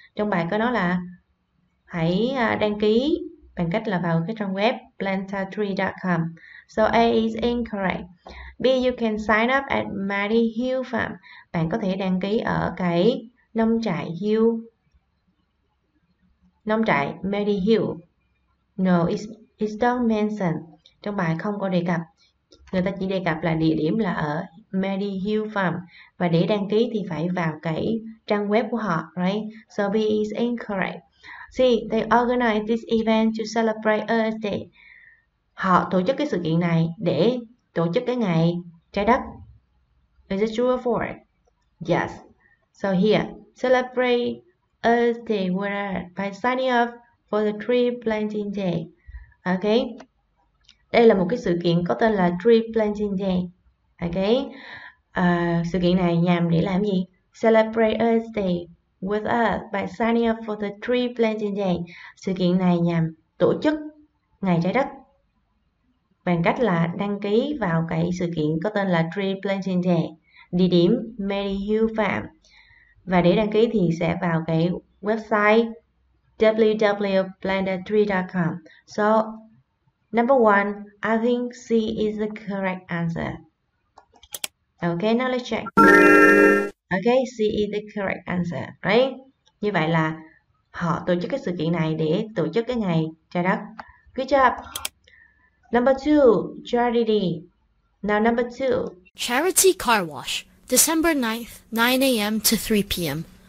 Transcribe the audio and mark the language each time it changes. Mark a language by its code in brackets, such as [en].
[vi] Trong bài có nói là hãy đăng ký bằng cách là vào cái trang web plantatree.com. [en] So A is incorrect. B, you can sign up at Maddy Hill Farm. [vi] Bạn có thể đăng ký ở cái nông trại Hill. Nông trại Maddy Hill. [en] No, it's don't mention. [vi] Trong bài không có đề cập. Người ta chỉ đề cập là địa điểm là ở Maddy Hill Farm. Và để đăng ký thì phải vào cái trang web của họ. [en] Right? So B is incorrect. C, they organize this event to celebrate Earth Day. [vi] Họ tổ chức cái sự kiện này để tổ chức cái ngày trái đất. [en] Is it true or false? Yes. So here, celebrate Earth Day by signing up for the Tree Planting Day. Okay. [vi] Đây là một cái sự kiện có tên là Tree Planting Day. Okay. Sự kiện này nhằm để làm gì? [en] Celebrate Earth Day with us by signing up for the Tree Planting Day. [vi] Sự kiện này nhằm tổ chức ngày trái đất bằng cách là đăng ký vào cái sự kiện có tên là Tree Planting Day, địa điểm Maddy Hill Farm. Và để đăng ký thì sẽ vào cái website www.plantatree.com. [en] So, number one, I think C is the correct answer. Okay, now let's check. Okay, C is the correct answer, right? [vi] Như vậy là họ tổ chức cái sự kiện này để tổ chức cái ngày trái đất. [en] Good job. Number two, charity. Now number two. Charity Car Wash, December 9th, 9 a.m. to 3 p.m.